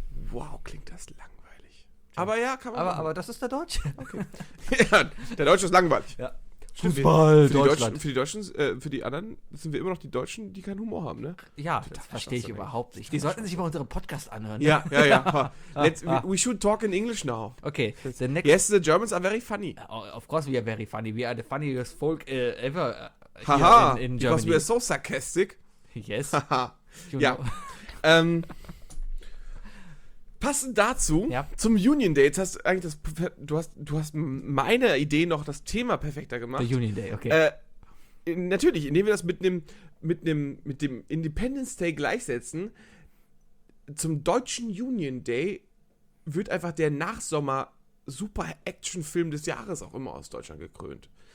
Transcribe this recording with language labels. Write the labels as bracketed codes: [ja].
[de] Wow, klingt das langweilig. Aber ja, kann man. Aber das ist der Deutsche. Okay. Ja, der Deutsche ist langweilig. Ja. Fußball, Deutschland. Für die Deutschen, für die anderen sind wir immer noch die Deutschen, die keinen Humor haben, ne? Ja, das verstehe ich überhaupt nicht. Die sollten sich über unseren Podcast anhören. Ja, ne? Ja. [en] We should talk in English now. Okay. Yes, the Germans are very funny. Of course we are very funny. We are the funniest folk ever. Haha, in Germany. Because we are so sarcastic. Yes. [de] Haha. Ja. Passend dazu, zum Union Day, jetzt hast du eigentlich du hast meine Idee noch das Thema perfekter gemacht. Der Union Day, okay. Natürlich, indem wir das mit dem Independence Day gleichsetzen, zum deutschen Union Day wird einfach der Nachsommer-Super-Action-Film des Jahres auch immer aus Deutschland gekrönt.